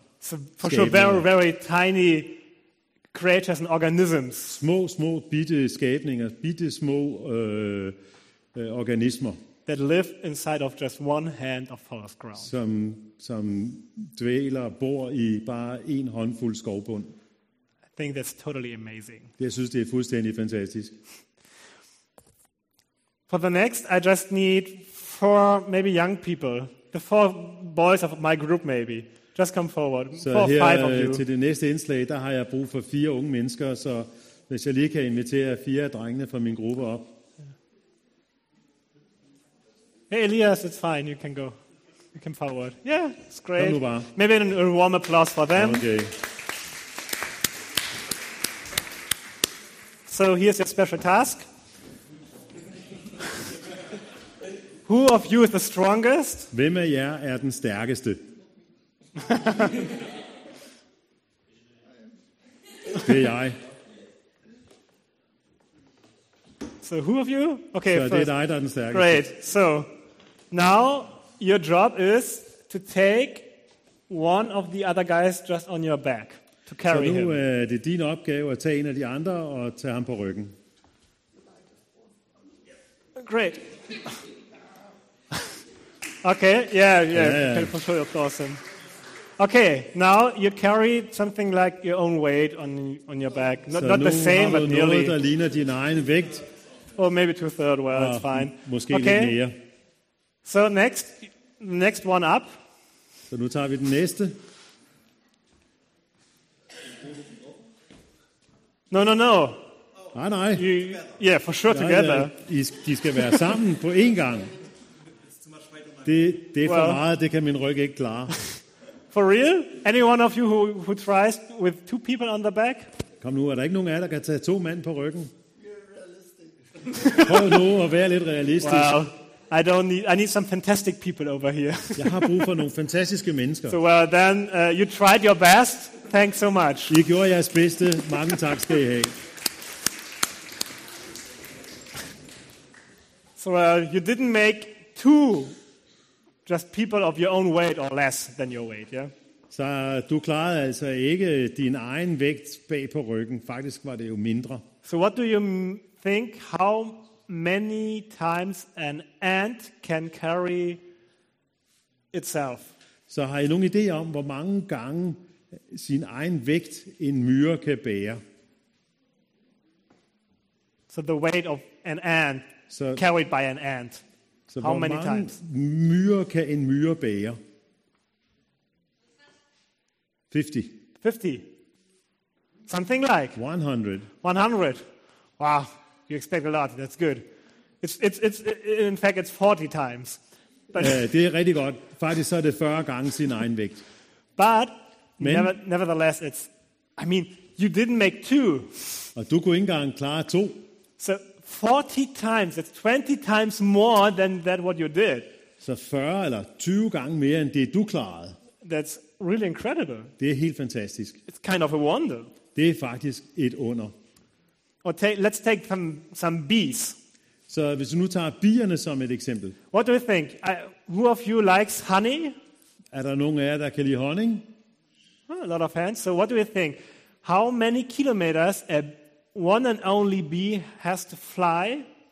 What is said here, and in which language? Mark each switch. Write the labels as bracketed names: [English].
[English] So for sure, very, very tiny creatures and organisms. [Danish] Små, små, bitte skabninger, bitte små organismer. [English] That live inside of just one hand of forest ground. [Danish] Som dvæler, bor i bare en håndfuld skovbund. [English] I think that's totally amazing. [Danish] Jeg synes, det er fuldstændig fantastisk. [English] For the next, I just need 4 maybe young people. The 4 boys of my group maybe. Just come forward. [Danish] Så [English] 4 or 5 of you. [Danish] Til det næste indslag, der har jeg brug for 4 unge mennesker, så hvis jeg lige kan invitere 4 af drengene fra min gruppe op. [English] Hey Elias, it's fine. You can go. You can forward. Yeah, it's great. [Danish] Kom nu bare. [English] Maybe a warm applause for them. Okay. So here's your special task. Who of you is the strongest? [Danish] Hvem af jer er den stærkeste? Det er jeg. [English] So who of you? Okay, [Danish] så det er dig, der er den stærkeste. [English] Great. So now your job is to take one of the other guys just on your back. To carry [Danish] så nu [English] him. [Danish] Det er din opgave at tage en af de andre og tage ham på ryggen. [English] Great. Okay, yeah. Can for sure you're awesome. Okay, now you carry something like your own weight on your back. Not the same, but nearly. [Danish] Noget, der ligner din egen vægt. [English] Or maybe 2/3, well, that's fine. [Danish] Måske okay. Lidt mere. [English] So next one up. [Danish] Så nu tager vi den næste. [English] No. [Danish] Nej, nej. [English] Yeah, for sure together. Ja. [Danish] De skal være sammen på én gang. Det er for meget, det kan min ryg ikke klare. [English] For real? Any one of you who tries with 2 people on the back? [Danish] Kom nu, er der ikke nogen af jer, der kan tage 2 mænd på ryggen? Prøv nu at være lidt realistisk. [English] Wow. I need some fantastic people over here. [Danish] Jeg har brug for nogle fantastiske mennesker. [English] So well, then you tried your best. Thanks so much. [Danish] I gjorde jeres bedste. Mange tak skal I have. [English] So well, you didn't make 2 just people of your own weight or less than your weight, yeah? [Danish] Så du klarede altså ikke din egen vægt bag på ryggen. Faktisk var det jo mindre. [English] So what do you think? How many times an ant can carry itself? [Danish] Så har I nogen idé om, hvor mange gange sin egen vægt en myre kan bære? [English] So the weight of an ant carried by an ant. So how many times? [Danish] Hvor mange myre kan en myre bære? 50. [English] 50? Something like 100. 100. Wow, you expect a lot. That's good. In fact, it's 40 times. [Danish] But det er rigtig godt. Faktisk så er det 40 gange sin egen vægt. [English] But nevertheless, it's. I mean, you didn't make two. [Danish] Og du kunne ikke engang klare to. [English] So 40 times. That's 20 times more than that what you did. [Danish] Så 40 eller 20 gange mere end det du klarede. [English] That's really incredible. [Danish] Det er helt fantastisk. [English] It's kind of a wonder. [Danish] Det er faktisk et under. [English] Let's take some bees. [Danish] Så hvis du nu tager bierne som et eksempel. [English] What do you think? Who of you likes honey? [Danish] Er der nogen af jer, der kan lide honning? [English] Oh, a lot of hands. So what do you think? How many kilometers a one and only bee has to fly?